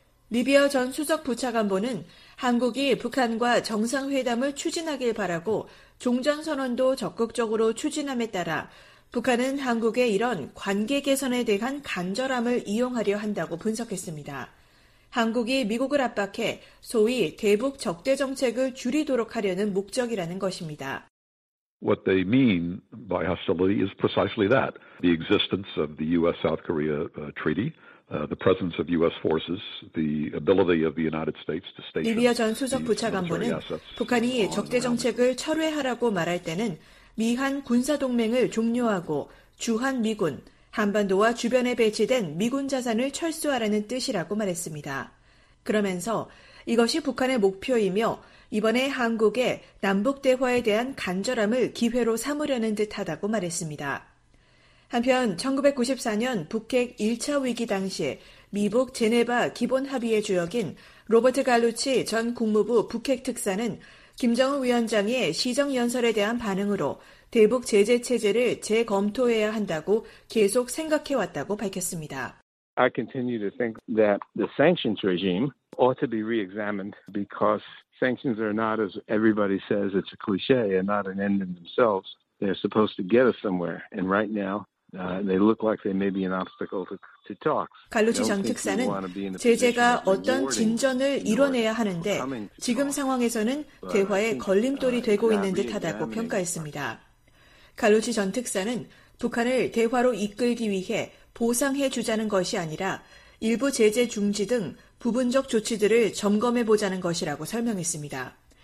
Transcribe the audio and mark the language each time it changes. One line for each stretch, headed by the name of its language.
Korean: 리비어 전 수석 부차관보는 한국이 북한과 정상회담을 추진하길 바라고 종전선언도 적극적으로 추진함에 따라 북한은 한국의 이런 관계 개선에 대한 간절함을 이용하려 한다고 분석했습니다. 한국이 미국을 압박해 소위 대북 적대 정책을 줄이도록 하려는 목적이라는 것입니다.
English: What they mean by hostility is precisely that. The existence of the US-South Korea treaty, the presence of US forces, the ability of the United States to station.
Korean: 리비아 전 수석 부차관보는 북한이 적대 정책을 철회하라고 말할 때는 미한 군사 동맹을 종료하고 주한 미군 한반도와 주변에 배치된 미군 자산을 철수하라는 뜻이라고 말했습니다. 그러면서 이것이 북한의 목표이며 이번에 한국의 남북 대화에 대한 간절함을 기회로 삼으려는 듯하다고 말했습니다. 한편 1994년 북핵 1차 위기 당시 미북 제네바 기본 합의의 주역인 로버트 갈루치 전 국무부 북핵 특사는 김정은 위원장의 시정연설에 대한 반응으로 대북 제재 체제를 재검토해야 한다고 계속 생각해왔다고 밝혔습니다.
English: I continue to think that the sanctions regime ought to be re-examined because sanctions are not, as everybody says, it's a cliche and not an end in themselves. They're supposed to get us somewhere. And right now, they look like they may be an obstacle to talks.
Korean: 갈루치 전 특사는 제재가 어떤 진전을 이뤄내야 하는데 지금 상황에서는 대화에 걸림돌이 되고 있는 듯하다고 평가했습니다. 갈루치 전 특사는 북한을 대화로 이끌기 위해 보상해 주자는 것이 아니라 일부 제재 중지 등 부분적 조치들을 점검해 보자는 것이라고 설명했습니다.